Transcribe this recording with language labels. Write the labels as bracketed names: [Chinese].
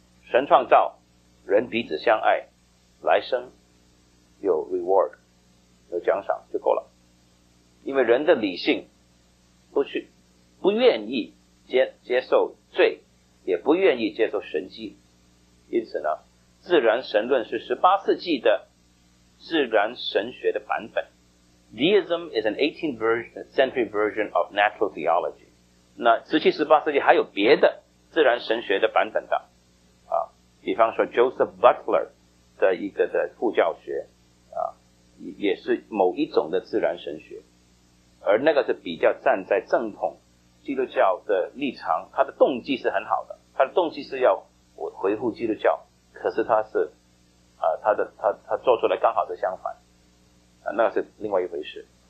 [Chinese] 神创造人，彼此相爱，来生有 reward， 有奖赏就够了。因为人的理性不愿意 接受罪，也不愿意接受神迹，因此呢自然神论是18世纪的自然神学的版本。 [English] Deism is an 18th century version of natural theology。 [Chinese] 那17、18世纪还有别的自然神学的版本的啊，比方说 Joseph Butler 的一个的副教学啊，也是某一种的自然神学，而那个是比较站在正统基督教的立场，他的动机是很好的，他的动机是要我回复基督教，可是他是他做出来刚好的相反啊，那是另外一回事。